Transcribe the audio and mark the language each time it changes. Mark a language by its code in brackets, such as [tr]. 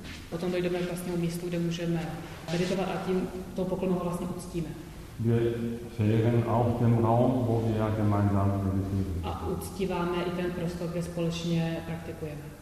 [cs] Potom dojdeme k vlastnímu místu, kde můžeme meditovat a tím to poklonu vlastně uctíme. [de] Wir verehren auch den Raum, wo wir gemeinsam meditieren. [cs] A uctíváme i ten prostor, kde společně praktikujeme.